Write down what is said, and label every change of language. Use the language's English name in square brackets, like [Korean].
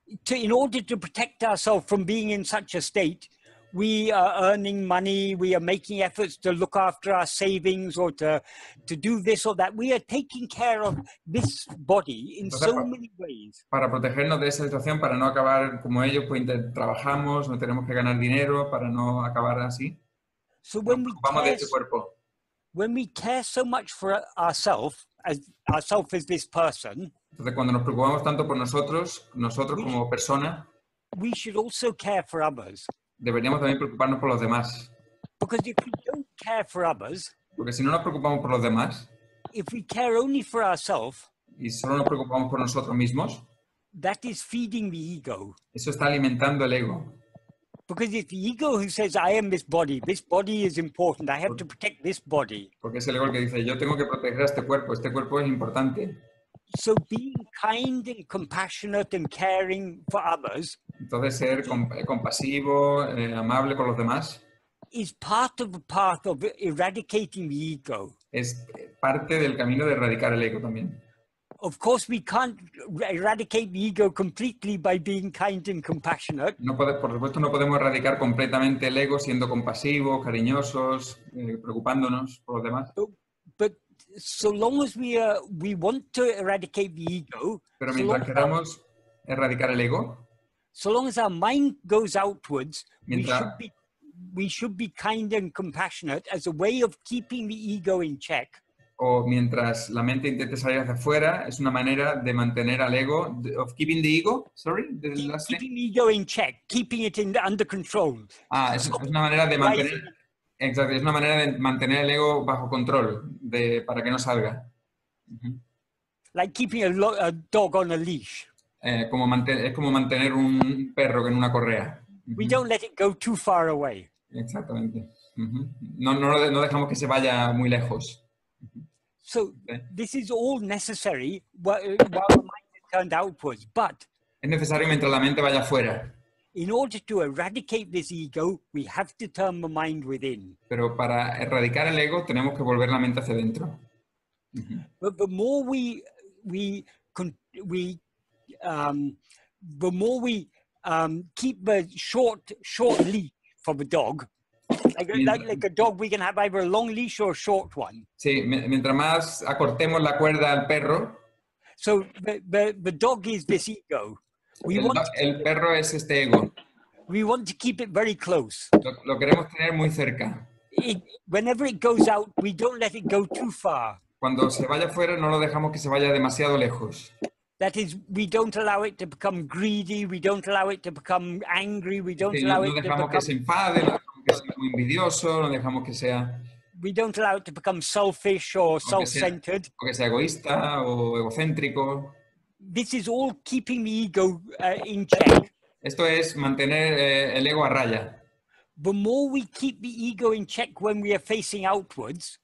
[English] In order to protect ourselves from being in such a state, we are earning money, we are making efforts to look after our savings or to do this or that. We are taking care of this body in so many ways. [Spanish] Para protegernos de esa situación, para no acabar como ellos, pues trabajamos, no tenemos que ganar dinero para no acabar así. [English] So when we care so much for ourselves as this person, [Spanish] entonces, cuando nos preocupamos tanto por nosotros como persona, [English] we should also care for others. [Spanish] Deberíamos también preocuparnos por los demás. [English] Because if we don't care for others, [Spanish] porque si no nos preocupamos por los demás, [English] if we care only for ourselves, [Spanish] y solo nos preocupamos por nosotros mismos, [English] that is feeding the ego. [Spanish] Eso está alimentando el ego. [English] Because it's the ego who says, I am this body is important, I have to protect this body. [Spanish] Porque es el ego el que dice, yo tengo que proteger a este cuerpo es importante. [English] So being kind and compassionate and caring for others, [Spanish] Entonces, ser compasivo, amable con los demás. [English] Is part of the path of eradicating the ego. [Spanish] Es parte del camino de erradicar el ego también. [English] Of course, we can't eradicate the ego completely by being kind and compassionate. [Spanish] No puede, por supuesto, no podemos erradicar completamente el ego siendo compasivos, cariñosos, preocupándonos por los demás. [English] But so long as we want to eradicate the ego. [Spanish] Pero mientras queramos erradicar el ego. [English] So long as our mind goes outwards, we should be kind and compassionate as a way of keeping the ego in check. [Spanish] O mientras la mente intente salir hacia afuera, es una manera de mantener al ego, [English] of keeping the ego, sorry? Keeping the ego in check, keeping it under control. [Spanish] Ah, es una manera de mantener, exacto, es una manera de mantener el ego bajo control, para que no salga. [English] Like keeping a dog on a leash. [Spanish] Es como mantener un perro en una correa. [English] We don't let it go too far away. [Spanish] Exactamente. No dejamos que se vaya muy lejos. [English] So this is all necessary while the mind is turned outwards, but [Spanish] es necesario mientras la mente vaya fuera. [English] In order to eradicate this ego, we have to turn the mind within. [Spanish] Pero para erradicar el ego tenemos que volver la mente hacia dentro. [English] But the more we keep a short leash for the dog. Like a dog, we can have either a long leash or a short one. [Spanish] Sí, mientras más acortemos la cuerda al perro. [English] So the dog is this ego. [Spanish] El perro es este ego. [English] We want to keep it very close. [Spanish] Lo queremos tener muy cerca. [English] Whenever it goes out, we don't let it go too far. [Spanish] Cuando se vaya fuera, no lo dejamos que se vaya demasiado lejos. [English] That is, we don't allow it to become greedy, we don't allow it to become angry, we don't allow it to become... [Spanish] No dejamos que se enfade, no dejamos que sea muy envidioso, no dejamos que sea... [English] We don't allow it to become selfish or self-centered. [Spanish] O que sea egoísta o egocéntrico. [English] This is all keeping the ego in check. [Spanish] Esto es mantener el ego a raya. [English] The more we keep the ego in check when we are facing outwards...